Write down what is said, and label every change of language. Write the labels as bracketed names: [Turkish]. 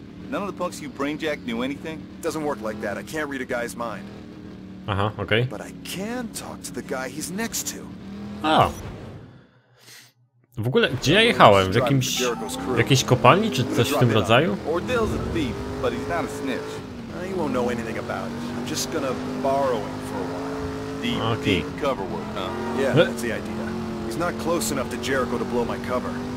[English] None of the punks you brainjacked knew anything? Doesn't work like that. I can't read a guy's mind. Aha, okay. But I can talk to the guy he's next to. Oh. [Polish] W ogóle, gdzie ja jechałem? W jakiejś kopalni, czy coś w tym rodzaju? [English] Ordell's a thief, but he's not a snitch. He won't know anything about it. I'm just gonna borrow him for a while. Deep cover work, huh? Yeah, that's the idea. He's not close enough to Jericho to blow my cover.